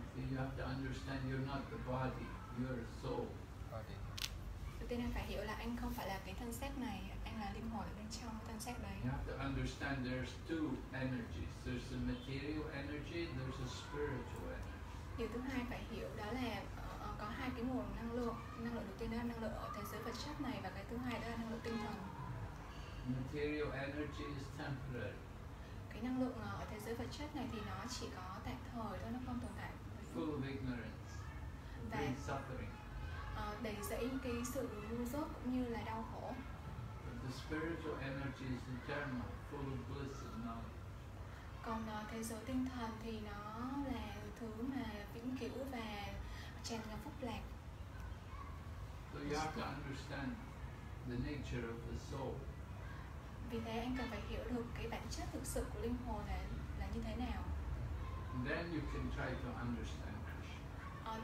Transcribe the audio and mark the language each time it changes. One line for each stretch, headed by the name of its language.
English: You have to understand you're not the body, you're a soul. Body.
Vietnamese: Đầu tiên anh phải hiểu là anh không phải là cái thân xác này, anh là linh hồn ở bên trong thân xác đấy.
English: You have to understand there's two energies. There's a material energy, there's a spiritual energy.
Vietnamese: Điều thứ hai phải hiểu đó là có hai cái nguồn năng lượng. Năng lượng đầu tiên là năng lượng ở thế giới vật chất này và cái thứ hai đó là năng lượng tinh thần.
English: Material energy is temporary.
Vietnamese: Cái năng lượng ở thế giới vật chất này thì nó chỉ có tạm thời thôi, nó không tồn tại.
English: Full of ignorance,
Vietnamese: đầy
English: suffering.
Vietnamese: Đầy dẫy cái sự ngu dốt cũng như là đau khổ.
English: But the spiritual energy is eternal, full of bliss and knowledge.
Vietnamese: Còn thế giới tinh thần thì nó là thứ mà vĩnh cửu và tràn ngập phúc lạc.
English: So you have to understand the nature of the soul.
Vietnamese: Vì thế anh cần phải hiểu được cái bản chất thực sự của linh hồn là như thế nào.
English: And then you can try to understand Krishna.